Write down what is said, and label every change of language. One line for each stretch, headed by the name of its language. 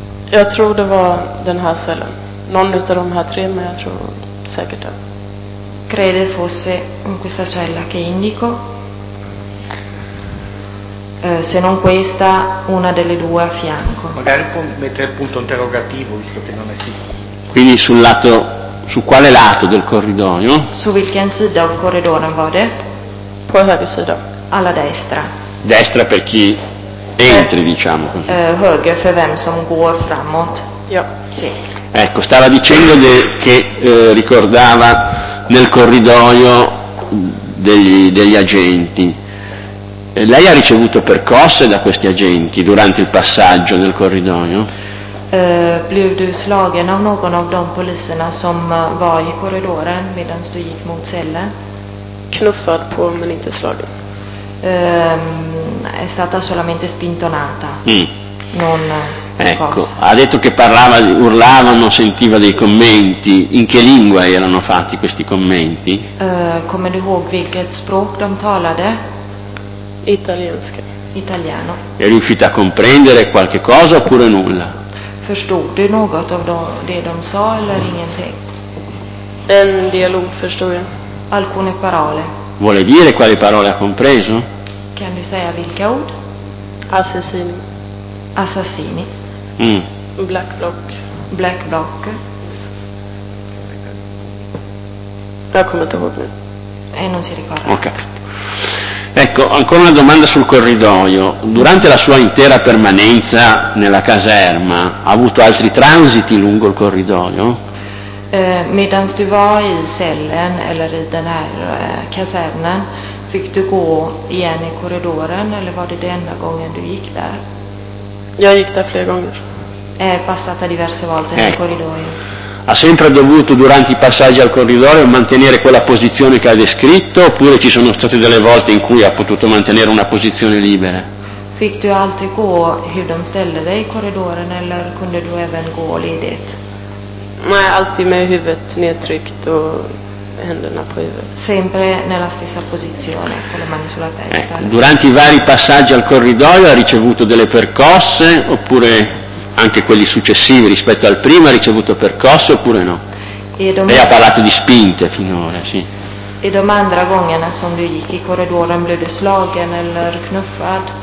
Swedish: Jag tror det var den här cellen. Någon utav de här tre, men jag tror säkert det.
Italian: Crede fosse in questa cella che indico. Se non questa, una delle due a fianco. Magari può mettere il punto interrogativo, visto che non è sicuro. Quindi sul lato, su quale lato del corridoio?
Swedish: Su vilken sida av corridoren var det? På höger sida.
Italian: Alla destra. Destra per chi entri, diciamo.
Swedish: Höger för vem som går framåt. Ja.
Italian: Sì. Ecco, stava dicendo che ricordava nel corridoio degli agenti. Lei ha ricevuto percosse da questi agenti durante il passaggio nel corridoio?
Swedish: Blev du slagen av någon av de poliserna som var i korridoren medan du gick mot cellen? Knuffad på, men inte slagen.
Italian: È stata solamente spintonata. Non ecco, ha detto che parlava, urlavano, sentiva dei commenti. In che lingua erano fatti questi commenti?
Swedish: Come du ihåg vilket språk de talade? Italiensche.
Italian: Italiano. È riuscita a comprendere qualche cosa oppure nulla?
Swedish: Förstod du något av det de sa eller ingenting? En dialog förstår jag.
Italian: Alcune parole. Vuole dire quali parole ha compreso?
English: Can you say
Swedish: vilka ord?
Italian: Assassini. Assassini. Mm.
English: Black block. Black block.
Swedish: Jag kommer inte ihåg nu.
Italian: E non si ricorda. Ho capito. Ecco, ancora una domanda sul corridoio. Durante la sua intera permanenza nella caserma, ha avuto altri transiti lungo il corridoio?
Swedish: Medan du var i cellen eller i den här kasernen, fick du gå igen i korridoren eller var det den enda gången du gick där? Jag gick där flera gånger.
Italian: È passata diverse volte nel corridoio. Ha sempre dovuto durante i passaggi al corridoio mantenere quella posizione che ha descritto oppure ci sono state delle volte in cui ha potuto mantenere una posizione libera?
Swedish: Fick du alltid gå hur de ställde dig i korridoren eller kunde du även gå ledigt? Nej, alltid med huvudet nedtryckt och händerna på huvudet.
Italian: Sempre nella stessa posizione, con le mani sulla testa. Durante i vari passaggi al corridoio ha ricevuto delle percosse, oppure anche quelli successivi rispetto al primo ha ricevuto percosse, oppure no? Lei ha parlato di spinte finora, sì.
Swedish: E de andra gångerna som du gick i korridoren, blev du slagen eller knuffad?